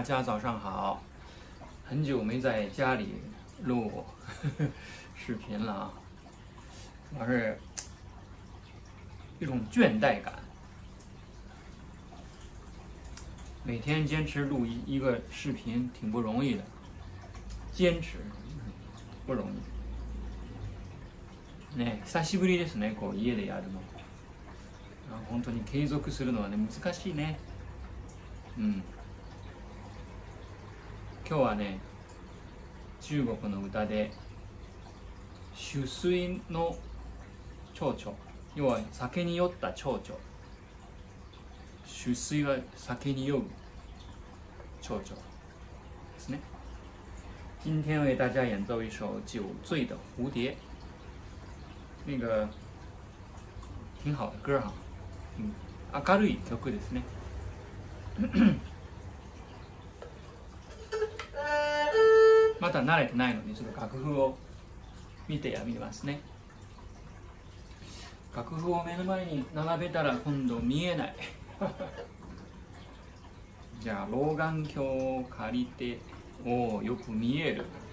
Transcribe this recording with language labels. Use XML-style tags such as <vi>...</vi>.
<zh>大家早上好，很久没在家里录视频了啊，我是一种倦怠感，每天坚持录一个视频挺不容易的，坚持不容易。</zh> <ja>ね、久しぶりですね、こう家でやるの。本当に継続するのはね難しいね。うん。今日はね、中国の歌で酒水の蝶々、要は酒に酔った蝶々、酒水は酒に酔う蝶々ですね。</ja> <zh>今天为大家演奏一首酒醉的蝴蝶，那个挺好的歌哈，</zh> <ja>明るい曲ですね。まだ慣れてないのにちょっと楽譜を見てやみますね。楽譜を目の前に並べたら今度見えない。じゃあ老眼鏡を借りて、おお、よく見える。</ja>